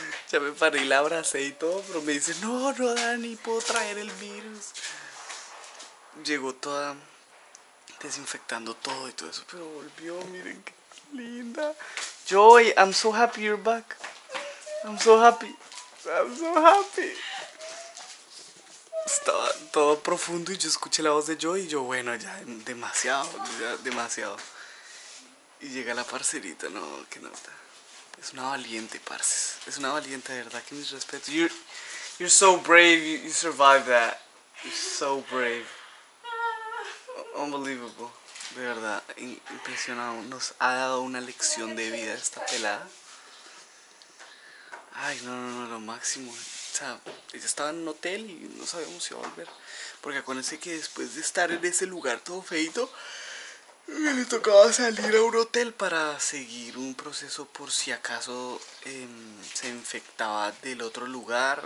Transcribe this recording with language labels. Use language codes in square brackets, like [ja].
[es] Ya me paré y la abracé y todo, pero me dice, no, no, Dani, puedo traer el virus. Llegó toda desinfectando todo y todo eso, pero volvió, miren qué linda. [en] Joy, I'm so happy you're back. I'm so happy. I'm so happy. [es] Estaba todo profundo y yo escuché la voz de Joy y yo, bueno, ya, demasiado, ya, demasiado. Y llega la parcerita, no, qué nota. Es una valiente, parce. Es una valiente, de verdad, que mis respetos. [en] You're so brave, you survived that. You're so brave. [es] Unbelievable, de verdad, impresionado. Nos ha dado una lección de vida esta pelada. Ay, no, no, no, lo máximo. O sea, ella estaba en un hotel y no sabíamos si iba a volver. Porque acuérdense que después de estar en ese lugar todo feito, le tocaba salir a un hotel para seguir un proceso por si acaso se infectaba del otro lugar.